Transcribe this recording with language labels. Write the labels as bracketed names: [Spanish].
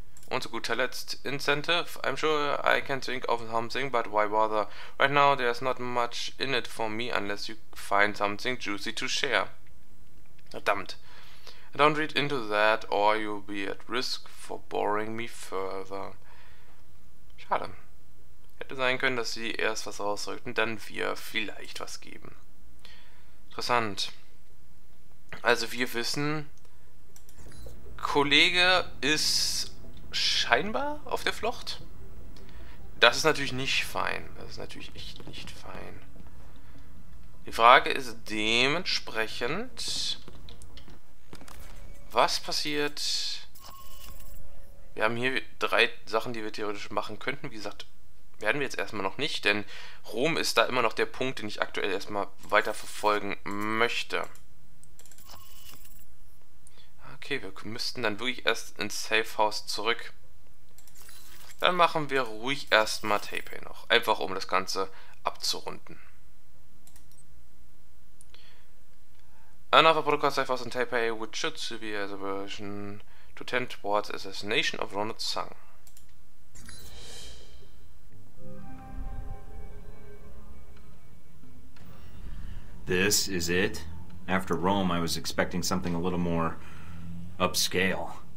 [German] Und zu guter Letzt, [English] Incentive. I'm sure I can think of something, but why bother? Right now there's not much in it for me unless you find something juicy to share. [German] Verdammt. [English] Don't read into that or you'll be at risk for boring me further. [German] Schade. Hätte sein können, dass sie erst was rausrückten, dann wir vielleicht was geben. Interessant. Also wir wissen, Kollege ist scheinbar auf der Flucht. Das ist natürlich nicht fein. Das ist natürlich echt nicht fein. Die Frage ist dementsprechend, was passiert? Wir haben hier drei Sachen, die wir theoretisch machen könnten. Wie gesagt, werden wir jetzt erstmal noch nicht, denn Rom ist da immer noch der Punkt, den ich aktuell erstmal weiter verfolgen möchte. Okay, wir müssten dann wirklich erst ins Safehouse zurück. Dann machen wir ruhig erstmal Taipei noch, einfach um das Ganze abzurunden. [English] Another protocol Safehouse in Taipei, which should be a version to tend towards assassination of Ronald Tsang. This is it? After Rome, I was expecting something a little more upscale.